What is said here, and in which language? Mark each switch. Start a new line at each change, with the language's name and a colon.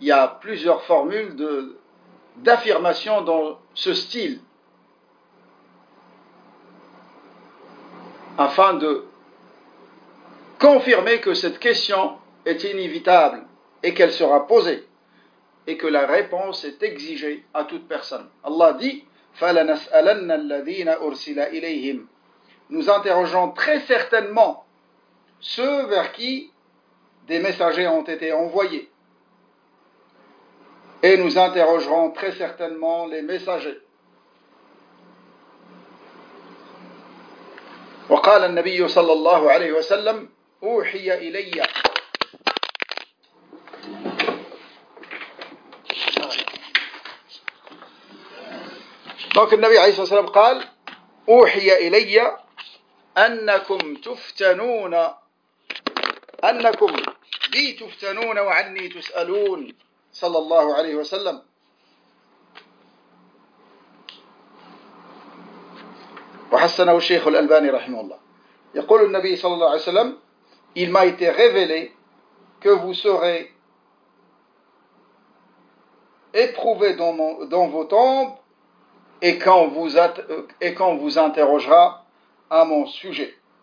French: Il y a plusieurs formules d'affirmation dans ce style, afin de confirmer que cette question est inévitable et qu'elle sera posée et que la réponse est exigée à toute personne. Allah dit
Arabic: « فَلَنَسْأَلَنَّ الَّذِينَ أُرْسِلَ إِلَيْهِمْ ».
French: Nous interrogeons très certainement ceux vers qui des messagers ont été envoyés. Et nous interrogerons très certainement les messagers.
Arabic: وقال النبي صلى الله عليه وسلم أوحي إلي.
French: Donc le Nabi
Arabic: عليه السلام قال أوحي إلي أنكم تفتنون أنكم بي تفتنون وعني تسألون صلى الله عليه وسلم. وحسنه الشيخ الألباني رحمه الله. يقول النبي صلى الله عليه وسلم
French: Il m'a été révélé que vous serez éprouvés dans vos tombes et quand vous interrogera à mon sujet.